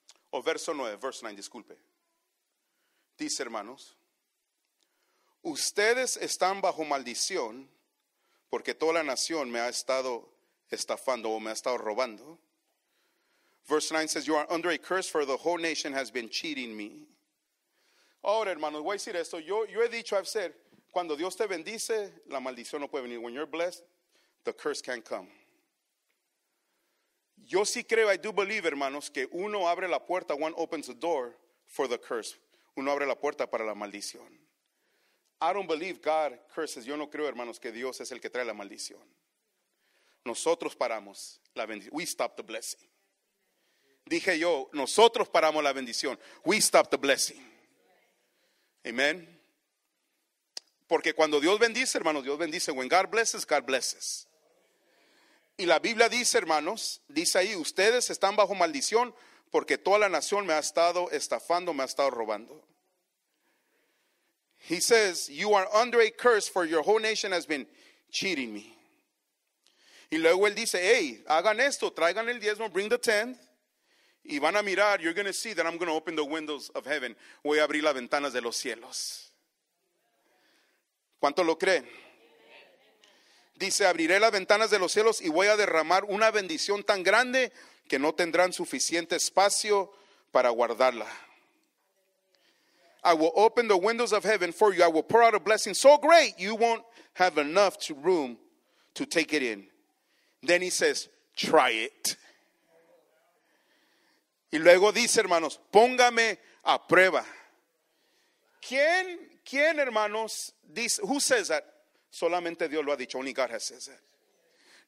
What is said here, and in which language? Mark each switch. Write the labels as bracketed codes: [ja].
[es] O verso 9, verse 9, disculpe. Dice, hermanos, ustedes están bajo maldición porque toda la nación me ha estado estafando o me ha estado robando. [en] Verse 9 says, you are under a curse for the whole nation has been cheating me. [es] Ahora, hermanos, voy a decir esto. Yo he dicho, [en] I've said, [es] cuando Dios te bendice, la maldición no puede venir. [en] When you're blessed, the curse can't come. [es] Yo sí creo, [en] I do believe, [es] hermanos, que uno abre la puerta, [en] one opens the door for the curse. [es] Uno abre la puerta para la maldición. [en] I don't believe God curses. [es] Yo no creo, hermanos, que Dios es el que trae la maldición. Nosotros paramos la bendición. [en] We stop the blessing. [es] Dije yo, nosotros paramos la bendición. [en] We stop the blessing. [es] Amen. Porque cuando Dios bendice, hermanos, Dios bendice. [en] When God blesses, God blesses. [es] Y la Biblia dice, hermanos, dice ahí, ustedes están bajo maldición porque toda la nación me ha estado estafando, me ha estado robando. [en] He says, you are under a curse for your whole nation has been cheating me. [es] Y luego él dice, hey, hagan esto, traigan el diezmo, [en] bring the tenth, [es] y van a mirar, [en] you're going to see that I'm going to open the windows of heaven. [es] Voy a abrir las ventanas de los cielos. ¿Cuánto lo creen? Dice, abriré las ventanas de los cielos y voy a derramar una bendición tan grande que no tendrán suficiente espacio para guardarla. [en] I will open the windows of heaven for you. I will pour out a blessing so great you won't have enough room to take it in. Then he says, try it. [es] Y luego dice, hermanos, póngame a prueba. ¿Quién, hermanos, dice, [en] who says that? [es] Solamente Dios lo ha dicho. [en] Only God has said that.